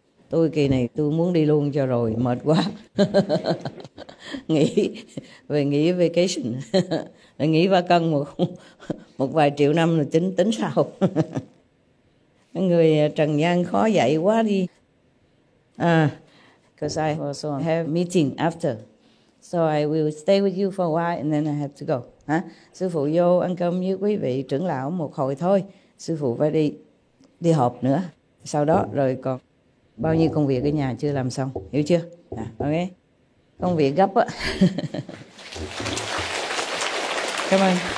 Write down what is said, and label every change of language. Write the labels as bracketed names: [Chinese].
[Vietnamese] Tôi kỳ này tôi muốn đi luôn cho rồi, mệt quá. nghỉ vacation. Nghỉ ba cân một vài triệu năm là tính sao. Người trần gian khó dạy quá đi. [English] Because I also have meeting after. So I will stay with you for a while and then I have to go. [Vietnamese] Sư phụ vô ăn cơm với quý vị trưởng lão một hồi thôi. Sư phụ phải đi họp nữa. Sau đó rồi còn bao nhiêu công việc ở nhà chưa làm xong. Hiểu chưa? Ok. Công việc gấp á. Cảm ơn.